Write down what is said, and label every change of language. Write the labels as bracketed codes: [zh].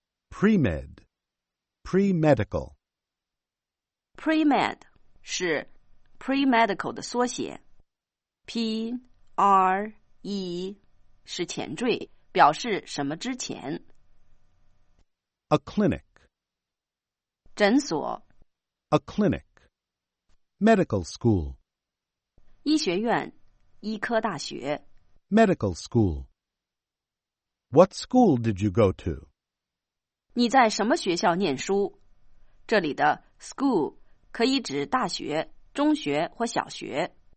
[en] Pre-med, pre-medical. [zh] Pre-med 是Pre-medical 的缩写 P-R-E 是前缀，表示什么之前。 [en] A clinic [zh] 诊所 [en] A clinic Medical school [zh] 医学院医科大学 [en] Medical school What school did you go to? [zh] 你在什么学校念书？这里的 school 可以指大学中学或小学。